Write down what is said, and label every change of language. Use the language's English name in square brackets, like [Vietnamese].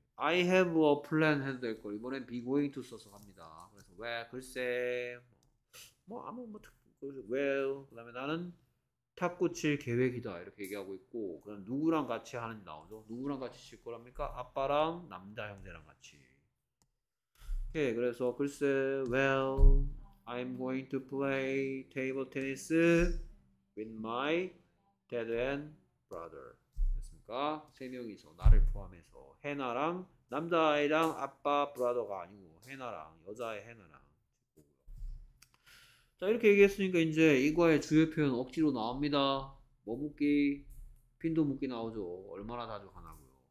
[English] I have a plan [Korean] 해도 될 걸. 이번엔 be going to 써서 갑니다. 그래서 왜 글쎄 뭐 아무 뭐 well 그다음에 나는 탁구 칠 계획이다 이렇게 얘기하고 있고 그럼 누구랑 같이 하는지 나오죠? 누구랑 같이 칠 거랍니까? 아빠랑 남자 형제랑 같이. 오케이 그래서 글쎄 [English] well I'm going to play table tennis with my dad and brother. [Korean] 됐습니까? 세 명이서 나를 포함해서 해나랑 남자아이랑 아빠 브라더가 아니고 해나랑 여자의 해나랑. 자 이렇게 얘기했으니까 이제 이과의 주요 표현 억지로 나옵니다. 뭐 묻기 빈도 묻기 나오죠. 얼마나 자주 하나고요.